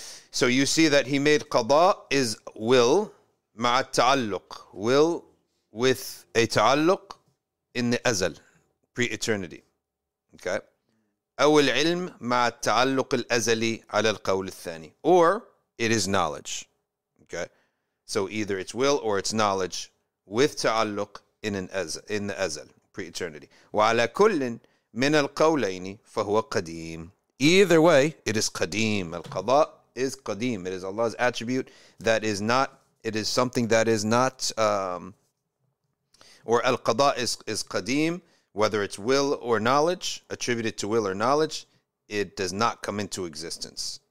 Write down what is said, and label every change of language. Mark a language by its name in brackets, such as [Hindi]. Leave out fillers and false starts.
[English] So you see that he made قضاء is will [Arabic] مع التعلق, [English] will with a تعلق in the أزل, pre-eternity. Okay. [Arabic] أو العلم مع التعلق الأزلي على القول الثاني. [English] Or it is knowledge. Okay. So either it's will or it's knowledge with تعلق in the أزل, pre-eternity. [Arabic] وعلى كل من القولين فهو قديم. [English] Either way, it is قديم. القضاء is قديم. It is Allah's attribute that is not, it is something that is not, or القضاء is قديم, whether it's will or knowledge, attributed to will or knowledge, it does not come into existence.